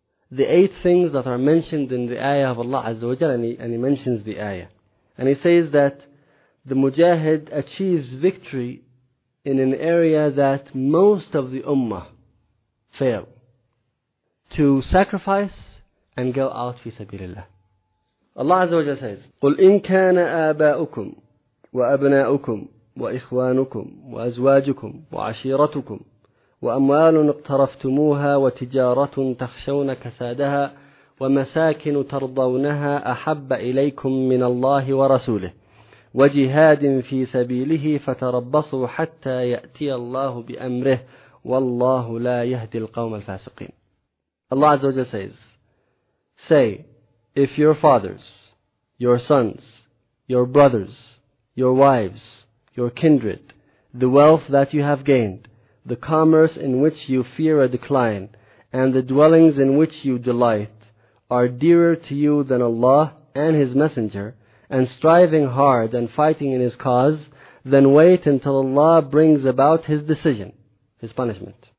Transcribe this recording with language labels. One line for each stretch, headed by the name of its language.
English: The eight things that are mentioned in the ayah of Allah Azza wa Jal, and he mentions the ayah. And he says that the mujahid achieves victory in an area that most of the ummah fail, to sacrifice and go out fi sabilillah. Allah Azza wa Jalla says,
Arabic: قُلْ إِنْ كَانَ آبَاؤُكُمْ وَأَبْنَاؤُكُمْ وَإِخْوَانُكُمْ وَأَزْوَاجُكُمْ وَعَشِيرَتُكُمْ وَأَمْوَالٌ اقْتَرَفْتُمُوهَا وَتِجَارَةٌ تَخْشَوْنَ كَسَادَهَا وَمَسَاكِنُ تَرْضَوْنَهَا أَحَبَّ إِلَيْكُمْ مِنَ اللَّهِ وَرَسُولِهِ وجهاد في سبيله فتربصوا حتى يأتي الله بأمره والله لا يهدي القوم الفاسقين.
English: Allah Azza wa Jalla says, say, if your fathers, your sons, your brothers, your wives, your kindred, the wealth that you have gained, the commerce in which you fear a decline, and the dwellings in which you delight, are dearer to you than Allah and His Messenger, and striving hard and fighting in his cause, then wait until Allah brings about his decision, his punishment.